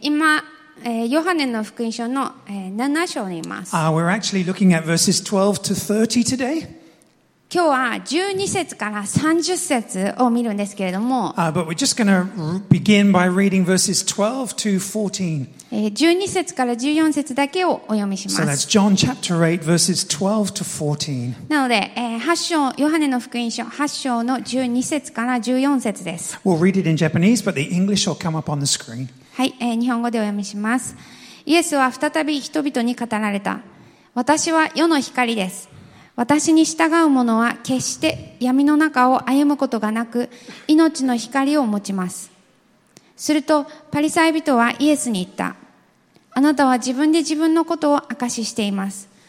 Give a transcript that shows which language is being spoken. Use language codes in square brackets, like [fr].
[ja] 今ヨハネの福音書の7章にいます。 [en] We're actually looking at verses 12 to 30 today. [ja] 今日は12節から30節を見るんですけれども、 [en] But we're just going to begin by reading verses 12 to 14. [ja] 12節から14節だけをお読みします。 [en] So that's John chapter 8, verses 12 to 14. [ja] なので、ヨハネの福音書8章の12節から14節です。 [en] We'll read it in Japanese, but the English will come up on the screen. [ja] はい、日本語でお読みします。イエスは再び人々に語られた。私は世の光です。私に従う者は決して闇の中を歩むことがなく命の光を持ちます。するとパリサイ人はイエスに言った。あなたは自分で自分のことを証ししています。